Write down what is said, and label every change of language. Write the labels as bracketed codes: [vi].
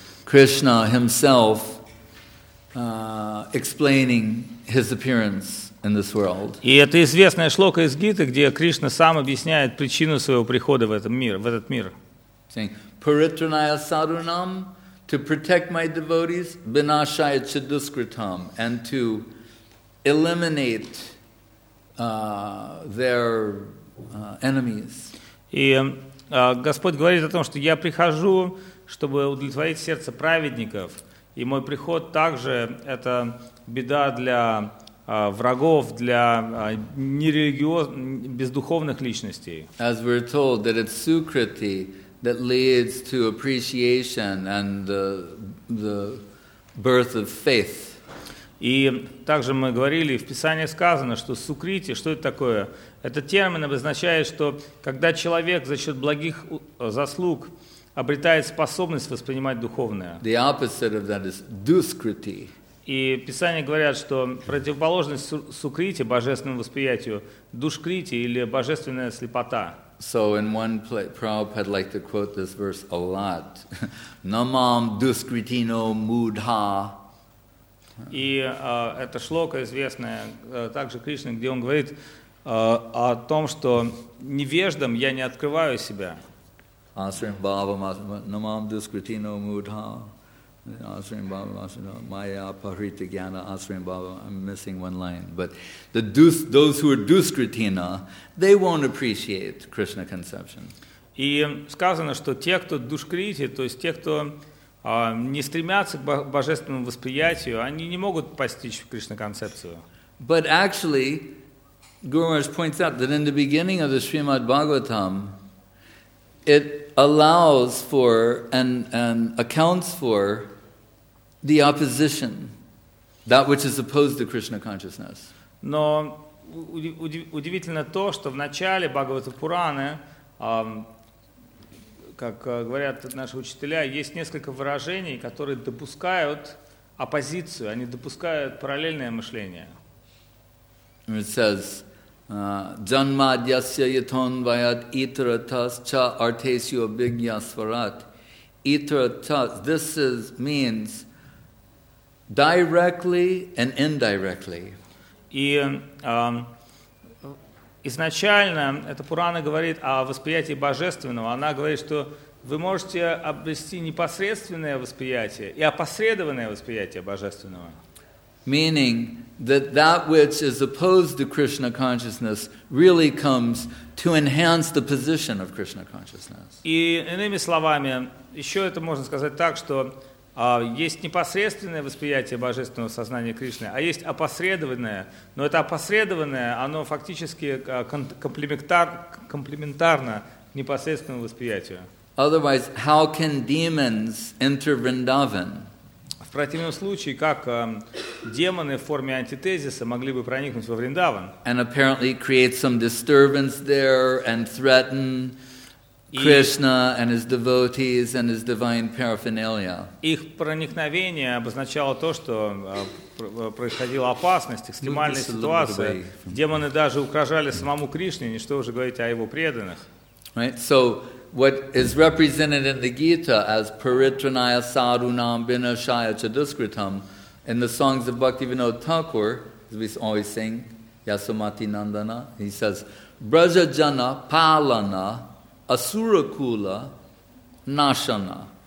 [en] Krishna himself explaining his appearance in this world. [ru] И это известная шлока из Гиты, где Кришна сам объясняет причину своего прихода в этот мир, [en] Saying, [sa] Paritranaya Sarunam, [en] to protect my devotees, [sa] Vinashaya Chaduskritam, [en] and to eliminate their enemies. [ru] И Господь говорит о том, что я прихожу, чтобы удовлетворить сердце праведников, и мой приход также – это беда для врагов, для нерелигиозных, бездуховных личностей. [en] As we're told that it's Sukriti that leads to appreciation and the birth of faith. [ru] И также мы говорили, в Писании сказано, что сукрити, что это такое? Этот термин обозначает, что когда человек за счет благих заслуг обретает способность воспринимать духовное. [en] The opposite of that is duskriti. [ru] И Писание говорят, что противоположность сукрити, божественному восприятию, душкрити или божественная слепота. [en] So in one place, Prabhupada liked to quote this verse a lot. [sa] Namam duskritino mudha. [ru] И это шлока известная также Кришна, где он говорит о том, что невеждам я не открываю себя. [sa] Asrim Baba Namam Duskritino Mudha. Asrim Baba Masana Maya Parita Gyana Asrim Baba. [en] I'm missing one line. But those who are Duskritina, they won't appreciate Krishna conception. [ru] И сказано, что те, кто душкрити, то есть те, кто не стремятся к божественному восприятию, они не могут постичь Кришна-концепцию. [en] But actually, Guru Maharaj points out that in the beginning of the Srimad Bhagavatam, it allows for and accounts for the opposition, that which is opposed to Krishna consciousness. [ru] Но удивительно то, что в начале Бхагавата-пураны как говорят наши учителя, есть несколько выражений, которые допускают оппозицию, они допускают параллельное мышление. [sa] It says, janmadyasya yatonvayat itaratas cha artesyu abhigyasvarat. [en] Itaratas, means directly and indirectly. [ru] И изначально эта Пурана говорит о восприятии божественного, она говорит, что вы можете обрести непосредственное восприятие и опосредованное восприятие божественного. [en] Meaning that that which is opposed to Krishna consciousness really comes to enhance the position of Krishna consciousness. [ru] И иными словами, еще это можно сказать так, что есть непосредственное восприятие божественного сознания Кришны, а есть опосредованное. Но это опосредованное, оно фактически комплементарно непосредственному восприятию. [en] Otherwise, how can demons enter Vrindavan? [ru] В противном случае, как демоны в форме антитезиса могли бы проникнуть во Вриндаван? [en] And apparently create some disturbance there and threaten Krishna and his devotees and his divine paraphernalia. [ru] Их проникновение обозначало то, что происходила опасность, экстремальная ситуация. Демоны даже угрожали самому Кришне, не что уже говорить о его преданных. [en] Right, so what is represented in the Gita as [sa] Paritranaya Sarunam Vinashaya Chaduskritam [en] in the songs of Bhaktivinoda Thakur, as we always sing, Yasomati Nandana, he says, [sa] Brajajana Palana Asurakula Nashana.